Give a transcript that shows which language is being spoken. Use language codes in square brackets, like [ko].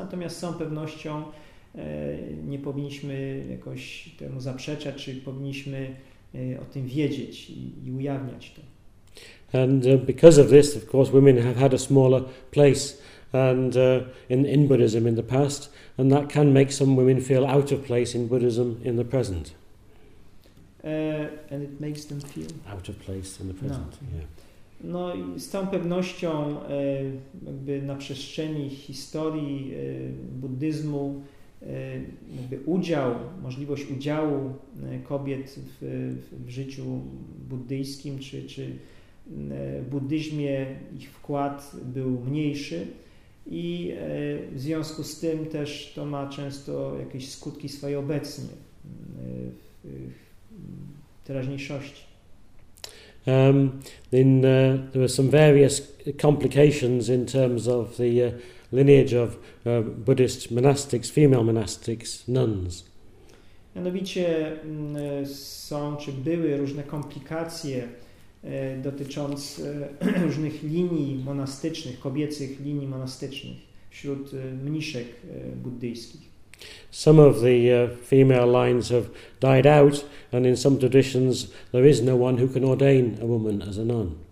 [pl] Natomiast z całą pewnością nie powinniśmy jakoś temu zaprzeczać, czy powinniśmy o tym wiedzieć i ujawniać to. [en] And because of this, of course, women have had a smaller place and in Buddhism in the past, and that can make some women feel out of place in Buddhism in the present. And it makes them feel out of place in the present. No, yeah. [pl] No i z całą pewnością jakby na przestrzeni historii buddyzmu jakby udział, możliwość udziału kobiet w życiu buddyjskim czy w buddyzmie ich wkład był mniejszy i w związku z tym też to ma często jakieś skutki swoje obecnie w teraźniejszości. [en] There were some various complications in terms of the lineage of Buddhist monastics, female monastics, nuns. [pl] Mianowicie są czy były różne komplikacje dotyczące różnych linii monastycznych, kobiecych linii monastycznych wśród mniszek buddyjskich. [en] Some of the female lines have died out, and in some traditions there is no one who can ordain a woman as a nun.